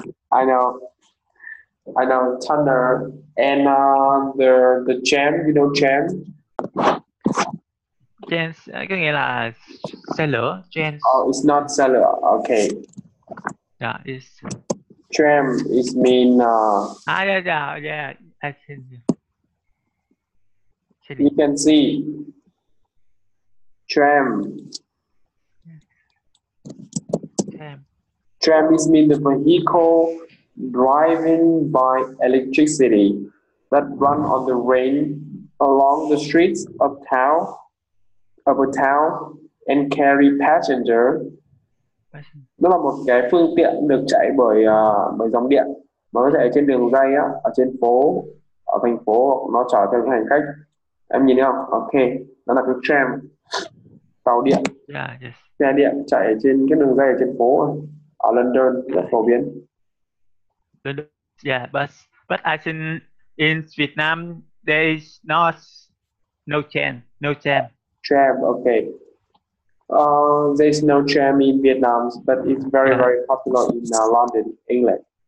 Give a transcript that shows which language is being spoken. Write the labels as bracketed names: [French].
[English] I know, tunnel, and the jam, you know jam? [Vietnamese] Gens có nghĩa là xe lửa, gens. [English] Oh, it's not [Vietnamese] xe lửa, [English] okay. Yeah, it's... Tram is mean... Yeah, I see. You can see. Tram. Tram is mean the vehicle driving by electricity that run on the rail along the streets of town, of a town, and carry passenger. [Vietnamese] Nó là một cái phương tiện được chạy bởi bởi dòng điện, nó có thể ở trên đường ray á, ở trên phố, ở thành phố, nó chở theo những hành khách. Em nhìn thấy không? Ok, nó là cái tram, tàu điện. [English] Yeah, yes. [Vietnamese] Xe điện chạy trên cái đường ray ở trên phố ở London rất phổ biến. [English] Yeah, but I think in Vietnam there is no tram, no tram. Tram, okay. There's no tram in Vietnam, but it's very, very popular in London, England.